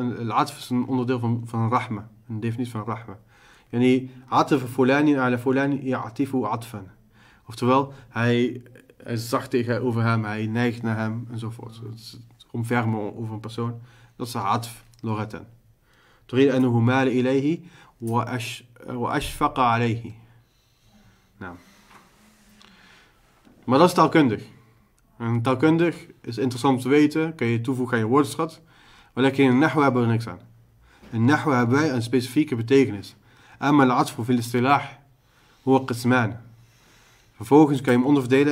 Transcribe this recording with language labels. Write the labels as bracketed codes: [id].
[nl] Al-atf is een onderdeel van rahma. Een definitie van rahma. [ar] Yani, atif fulani ala fulani ya'atifu atfan. [nl] Oftewel, hij is zacht tegenover hem. Hij neigt naar hem enzovoort. Het is omvermen over een persoon. [ar] Dat is atf, loretten. Turid anuhu mal ilayhi wa ash... وَأَشْفَقَ عَلَيْهِ Nou. [nl] Maar dat is taalkundig. En taalkundig is interessant om te weten. Kan je toevoegen aan je woordenschat. Maar lekker in nahwa hebben we er niks aan. In nahwa hebben wij een specifieke betekenis. [ar] أَمَا الْعَطْفُ فِي الْاِصْطِلَاحِ هُوَ قِسْمَانِ Vervolgens kan je hem onderverdelen.